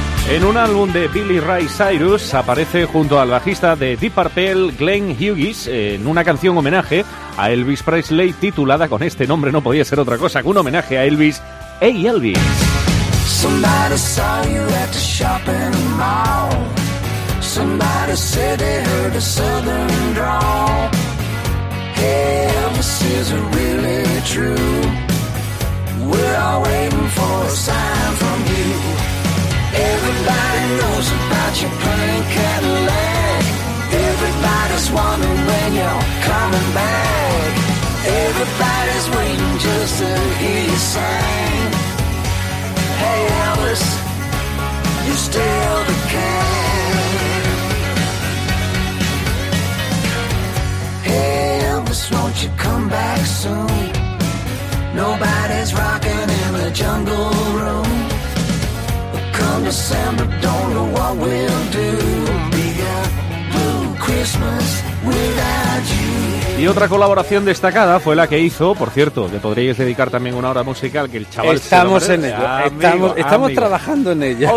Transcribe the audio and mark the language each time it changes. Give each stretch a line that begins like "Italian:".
Spanish: En un álbum de Billy Ray Cyrus aparece junto al bajista de Deep Purple, Glenn Hughes, en una canción homenaje a Elvis Presley titulada, con este nombre no podía ser otra cosa que un homenaje a Elvis, Hey Elvis.
English: Somebody saw you at the shopping mall. Somebody said they heard a southern drawl. Hey Elvis, is it really true? We're all waiting for a sign from you. Everybody knows about your pink Cadillac. Everybody's wondering when you're coming back. Everybody's waiting just to hear you sing. Hey Elvis, you still the king. Hey Elvis, won't you come back soon? Nobody's rocking in the jungle room. December, don't know what we'll do. Be a blue Christmas without you.
Spanish: Y otra colaboración destacada fue la que hizo, por cierto, le podríais dedicar también una hora musical, que el chaval estamos en ello, amigo, estamos trabajando en ello.